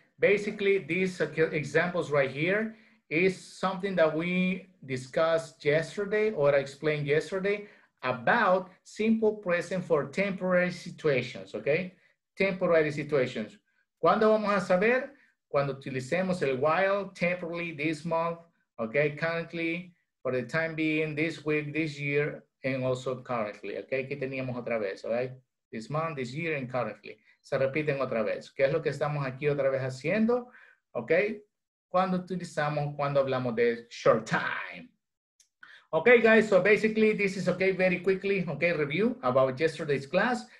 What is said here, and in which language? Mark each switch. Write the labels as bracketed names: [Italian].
[English] Basically, these examples right here is something that we discussed yesterday or I explained yesterday about simple present for temporary situations, okay? Temporary situations. [Spanish] ¿Cuándo vamos a saber? Cuando utilicemos el while, [English] temporarily, this month, okay? Currently, for the time being, this week, this year, and also currently, okay? [Spanish] Que teníamos otra vez, [English] all right? This month, this year, and currently. [Spanish] Se repiten otra vez. ¿Qué es lo que estamos aquí otra vez haciendo? Okay? Cuando utilizamos, cuando hablamos de [English] short time. Okay, guys, so basically, this is okay, very quickly, okay, review about yesterday's class.